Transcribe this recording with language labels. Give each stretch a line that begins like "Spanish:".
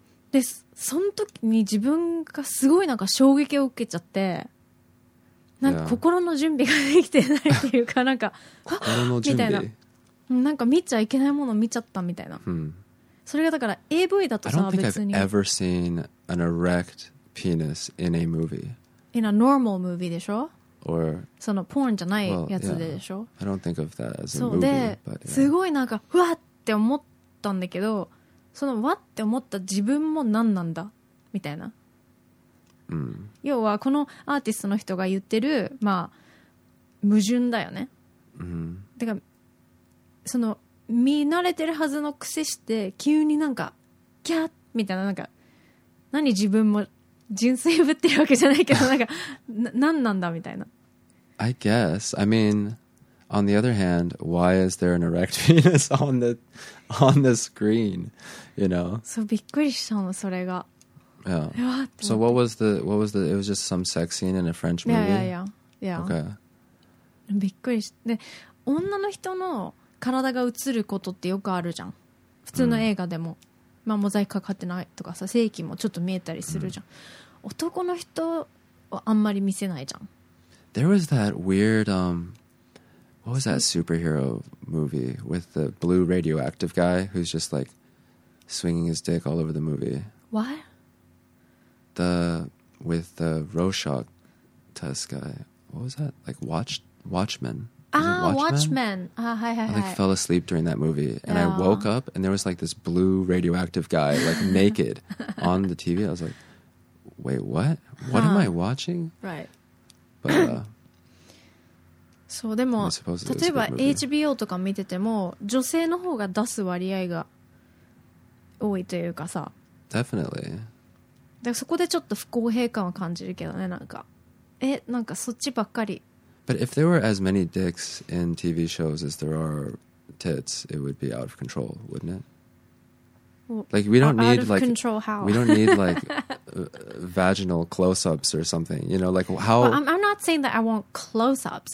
Japanese: でその時に自分がすごいなんか衝撃を受けちゃって、なんか心の準備ができてないっていうか、なんか心の準備みたいな、なんか見ちゃいけないものを見ちゃったみたいな、うん、それがだから AV だとさ、別に
English: I don't think I've ever seen an erect penis in a movie. In a normal movie
Japanese: でしょ、
English: Or
Japanese: そのポーンじゃないやつででしょ、
English: well, yeah. I don't think of that as a movie.
Japanese: すごいなんかふわって思ったんだけど、そのわって思った自分も何なんだみたいな、 mm. 要はこのアーティストの人が言ってる、まあ矛盾だよね、 mm. だからその見慣れてるはずの癖して急になんかキャッみたいな、なんか何自分も純粋ぶってるわけじゃないけどなんか何なんだみたいな。
English: I guess I mean on the other hand, why is there an erect penis on the screen, you know?
Japanese: そうびっくりしたのそれが。
English: Yeah. So what was the it was just some sex scene in a French movie? Yeah. Okay.
Japanese: びっくりしで女の人の体が映ることってよくあるじゃん、普通の映画でも、うん、まあモザイクかかってないとかさ、性器もちょっと見えたりするじゃん、うん、男の人はあんまり見せないじゃん。
English: There was that weird what was that superhero movie with the blue radioactive guy who's just like swinging his dick all over the movie? What? The with the Rorschach test guy. What was that? Like Watchmen? Watchmen. I like fell asleep during that movie, and yeah. I woke up, and there was like this blue radioactive guy, like naked, on the TV. I was like, "Wait, what? What am I watching?" Right. But so,
Japanese: でも例えば HBO とか見てても女性の方が出す割合が多いというかさ。
English: Definitely.
Japanese: だからそこでちょっと不公平感を感じるけどね、なんかなんかそっちばっかり。
English: But if there were as many dicks in TV shows as there are tits, it would be out of control, wouldn't it? Like, we don't need, like, control how? We don't need, like, vaginal close-ups or something, you know, like, how? Well, I'm not saying that I want close-ups.